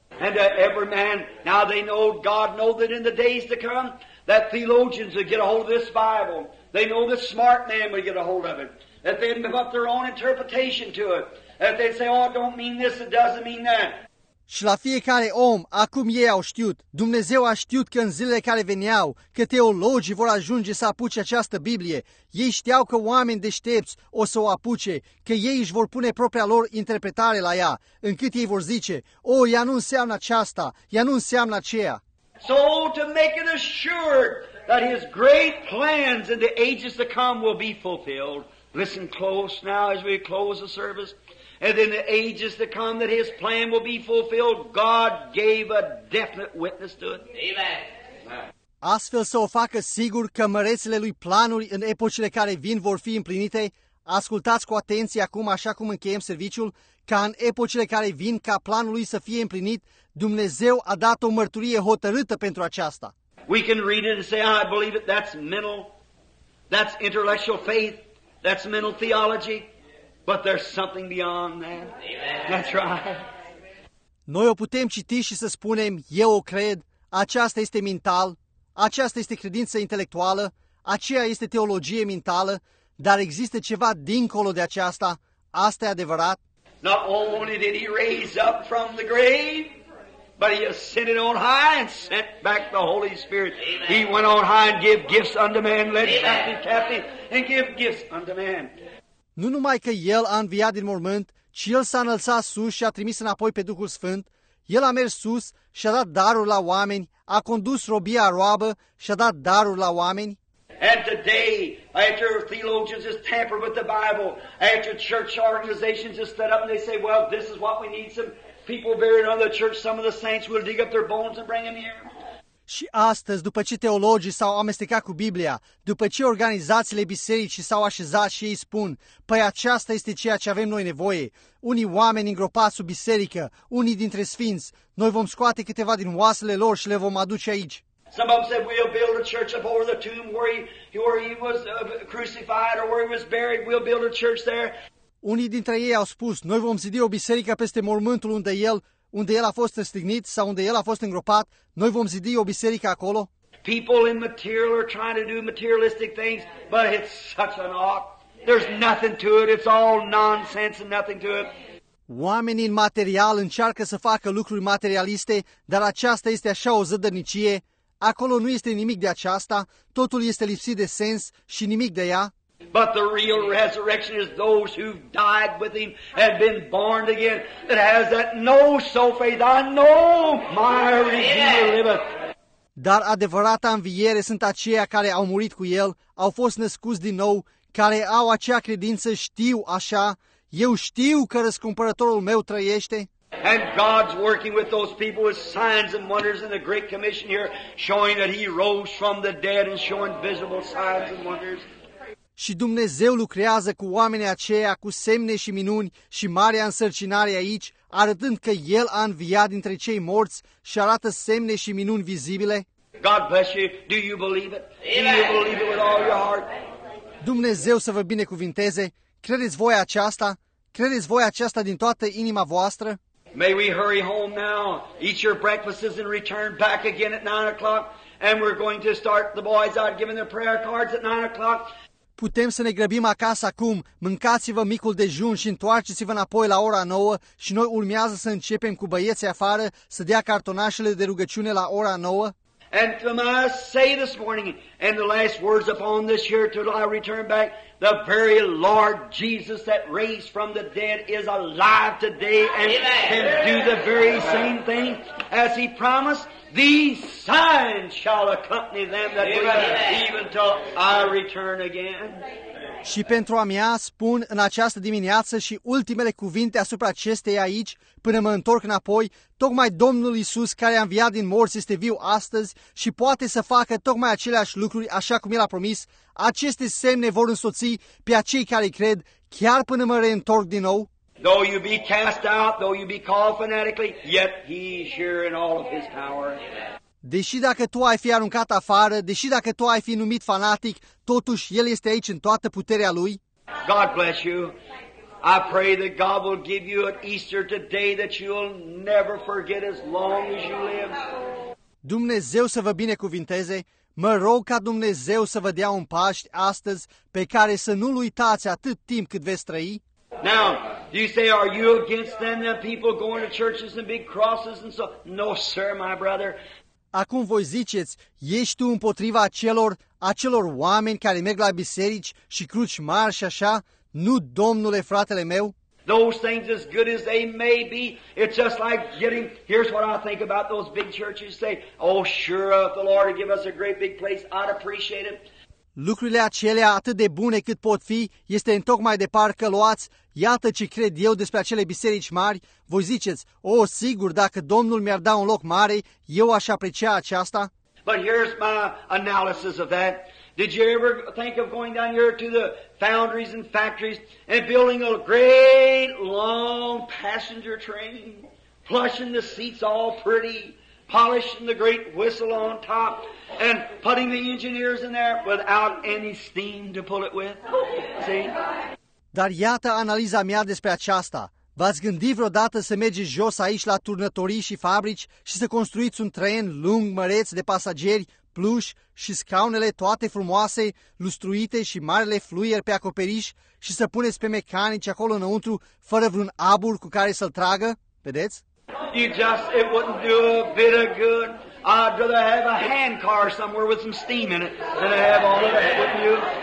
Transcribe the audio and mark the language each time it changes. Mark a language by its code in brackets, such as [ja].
[en] And every man, now they know, God know that in the days to come, that theologians will get a hold of this Bible. They know the smart man will get a hold of it. That they give up their own interpretation to it. That they say, oh, it don't mean this, it doesn't mean that. [ro] Și la fiecare om, acum ei au știut, Dumnezeu a știut că în zilele care veneau, că teologii vor ajunge să apuce această Biblie. Ei știau că oameni deștepți o să o apuce, că ei își vor pune propria lor interpretare la ea, încât ei vor zice, o, oh, ea nu înseamnă aceasta, ea nu înseamnă aceea. [en] So to make it assured that his great plans in the ages to come will be fulfilled. Listen close now as we close the service. And in the ages to come that his plan will be fulfilled, God gave a definite witness to it. Amen. [ro] Astfel să o facă sigur că mărețile lui planuri în epocile care vin vor fi împlinite, ascultați cu atenție acum așa cum încheiem serviciul, ca în epocile care vin ca planul lui să fie împlinit, Dumnezeu a dat o mărturie hotărâtă pentru aceasta. [en] We can read it and say, I believe it, that's mental, that's intellectual faith, that's mental theology. But there's something beyond that. Amen. That's right. [ro] Noi o putem citi și să spunem, eu o cred, aceasta este mental, aceasta este credință intelectuală, aceea este teologie mentală, dar există ceva dincolo de aceasta, asta e adevărat. [en] Not only did he raise up from the grave, but he ascended on high and sent back the Holy Spirit. Amen. He went on high and gave gifts unto man, led captive captive, and gave gifts unto man. [ro] Nu numai că El a înviat din mormânt, ci El s-a înălțat sus și a trimis înapoi pe Duhul Sfânt. El a mers sus și a dat daruri la oameni, a condus robia roabă și a dat daruri la oameni. [en] And today, after theologians have tampered with the Bible, after church organizations have stood up and they say, well, this is what we need, some people buried under the church, some of the saints will dig up their bones and bring them here. [ro] Și astăzi, după ce teologii s-au amestecat cu Biblia, după ce organizațiile bisericii s-au așezat și ei spun, păi aceasta este ceea ce avem noi nevoie, unii oameni îngropați sub biserică, unii dintre sfinți, noi vom scoate câteva din oasele lor și le vom aduce aici. [en] Some of them said, we'll build a church up over the tomb where he was crucified or where he was buried, we'll build a church there. [ro] Unii dintre ei au spus, noi vom zidi o biserică peste mormântul unde el a fost răstignit sau unde el a fost îngropat, noi vom zidi o biserică acolo. [en] People in material are trying to do materialistic things, but it's such an ox. There's nothing to it. It's all nonsense and nothing to it. [ro] Oamenii în material încearcă să facă lucruri materialiste, dar aceasta este așa o zădărnicie. Acolo nu este nimic de aceasta, totul este lipsit de sens și nimic de ea. [en] But the real resurrection is those who've died with him and been born again. That has that no so faith. I know my Redeemer liveth. [ro] Dar adevărata înviere sunt aceia care au murit cu el, au fost născuți din nou, care au acea credință, știu așa, eu știu că răscumpărătorul meu trăiește. [en] And God's working with those people with signs and wonders in the Great Commission here, showing that he rose from the dead and showing visible signs and wonders. [ro] Și Dumnezeu lucrează cu oamenii aceia, cu semne și minuni și marea însărcinare aici, arătând că El a înviat dintre cei morți și arată semne și minuni vizibile. [en] God bless you. Do you believe it? Amen. Do you believe it with all your heart? [ro] Dumnezeu să vă binecuvinteze. Credeți voi aceasta? Credeți voi aceasta din toată inima voastră? [en] May we hurry home now, eat your breakfasts and return back again at 9 o'clock, and we're going to start the boys out giving their prayer cards at 9 o'clock. [ro] Putem să ne grăbim acasă acum, mâncați-vă micul dejun și întoarceți-vă înapoi la ora 9 și noi urmează să începem cu băieții afară să dea cartonașele de rugăciune la ora 9. [en] And to my say this morning and the last words upon this year till I return back, the very Lord Jesus that raised from the dead is alive today and can do the very same thing as he promised. These signs shall accompany them that believe, even till I return again. [ro] Și pentru a mea spun în această dimineață și ultimele cuvinte asupra acestei aici, până mă întorc înapoi, tocmai Domnul Iisus care a înviat din morți este viu astăzi și poate să facă tocmai aceleași lucruri așa cum El a promis. Aceste semne vor însoți pe acei care cred chiar până mă reîntorc din nou. [en] Though you be cast out, though you be called fanatically, yet he is here in all of his power. [ro] Deși dacă tu ai fi aruncat afară, deși dacă tu ai fi numit fanatic, totuși el este aici în toată puterea lui. [en] God bless you. I pray that God will give you an Easter today that you'll never forget as long as you live. [ro] Dumnezeu să vă binecuvinteze. Mă rog ca Dumnezeu să vă dea un Paști astăzi pe care să nu-l uitați atât timp cât veți trăi. [en] Now, do you say, are you against them, the people going to churches and big crosses and so? No, sir, my brother. [ro] Acum voi ziceți, ești tu împotriva acelor oameni care merg la biserici și cruci mari și așa? Nu, domnule, fratele meu? [en] Those things, as good as they may be, it's just like getting, here's what I think about those big churches, say, oh, sure, if the Lord would give us a great big place, I'd appreciate it. [ro] Lucrurile acelea, atât de bune cât pot fi, este întocmai de parcă luați, iată ce cred eu despre acele biserici mari, voi ziceți, oh, sigur, dacă Domnul mi-ar da un loc mare, eu aș aprecia aceasta. [en] But here's my analysis of that. Did you ever think of going down here to the foundries and factories and building a great long passenger train, plushing the seats all pretty, polishing the great whistle on top, and putting the engineers in there without any steam to pull it with? See? [ro] Dar iată analiza mea despre aceasta. V-ați gândit vreodată să mergeți jos aici la turnătorii și fabrici și să construiți un tren lung, măreț, de pasageri, pluș și scaunele toate frumoase, lustruite și marele fluier pe acoperiș și să puneți pe mecanici acolo înăuntru fără vreun abur cu care să-l tragă? Vedeți? [en] It wouldn't do a bit of good. I'd rather have a hand car somewhere with some steam in it than have all of that, wouldn't you?